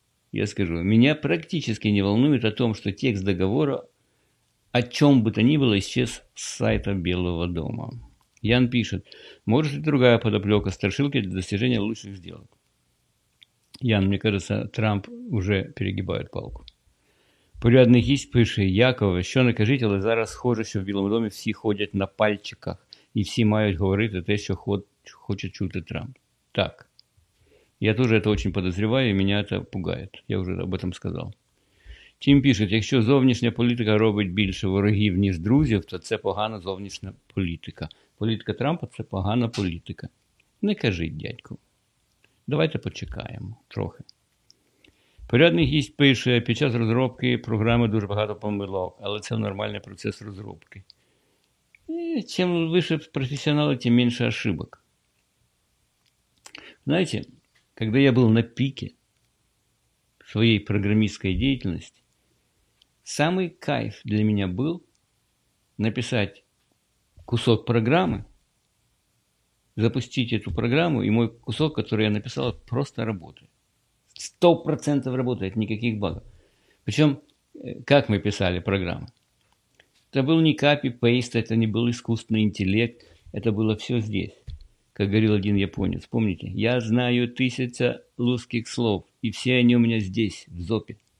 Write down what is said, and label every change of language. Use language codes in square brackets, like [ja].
[ru] Я скажу, меня практически не волнует о том, что текст договора, о чем бы то ни было, исчез с сайта Белого дома. Ян пишет, может ли другая подоплека страшилки для достижения лучших сделок? Ян, мне кажется, Трамп уже перегибает палку. [uk] Порядный гість пише, Якове, що не кажіть, але зараз схоже, що в Білому домі всі ходять на пальчиках і всі мають говорити те, що хоче чути Трамп. Так, я теж це дуже підозрюваю і мене це пугає. Я вже об цьому сказав. Тім пише, якщо зовнішня політика робить більше ворогів, ніж друзів, то це погана зовнішня політика. Політика Трампа – це погана політика. Не кажіть, дядьку. Давайте почекаємо трохи. Порядний гість пише, під час розробки програми дуже багато помилок, але це нормальний процес розробки. І чим вище професіонали, тим менше ошибок. Знаєте, коли я був на піке своєї програмістської діяльності, самий кайф для мене був написати кусок програми, [ru] запустить эту программу, и мой кусок, который я написал, просто работает. 100% работает, никаких багов. Причем, как мы писали программу? Это был не копи-пейст, это не был искусственный интеллект, это было все здесь. Как говорил один японец, помните? Я знаю 1000 русских слов, и все они у меня здесь, в зопе.